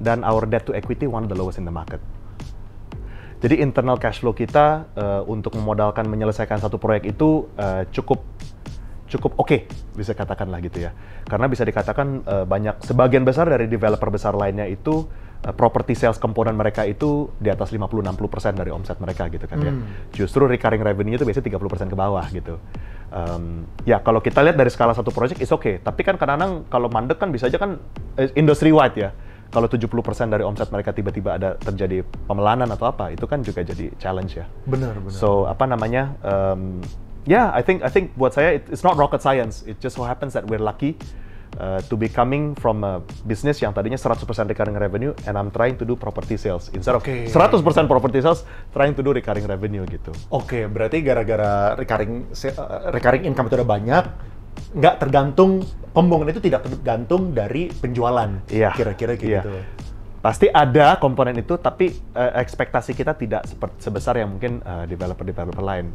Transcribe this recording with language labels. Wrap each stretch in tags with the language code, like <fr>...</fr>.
<en>Dan our debt to equity, one of the lowest in the market.</en> <id>Jadi internal cash flow kita untuk memodalkan, menyelesaikan satu proyek itu cukup oke, bisa katakanlah gitu ya. Karena bisa dikatakan banyak, sebagian besar dari developer besar lainnya itu property sales komponen mereka itu di atas 50-60% dari omset mereka gitu kan ya. Justru recurring revenue itu biasanya 30% ke bawah gitu. Ya kalau kita lihat dari skala satu project is okay, tapi kan kadang-kadang kalau mandek kan bisa aja kan industry wide ya. Kalau 70% dari omset mereka tiba-tiba ada terjadi pemelanan atau apa, itu kan juga jadi challenge ya. Benar.</id> <en>So I think buat saya it's not rocket science. It just so happens that we're lucky to be coming from a business yang tadinya 100% recurring revenue and I'm trying to do property sales instead of 100% property sales, trying to do recurring revenue gitu.</en> <id>Oke, okay, berarti gara-gara recurring income itu udah banyak, nggak tergantung, pembangunan itu tidak tergantung dari penjualan, kira-kira kayak gitu. Pasti ada komponen itu, tapi ekspektasi kita tidak sebesar yang mungkin developer-developer lain.</id>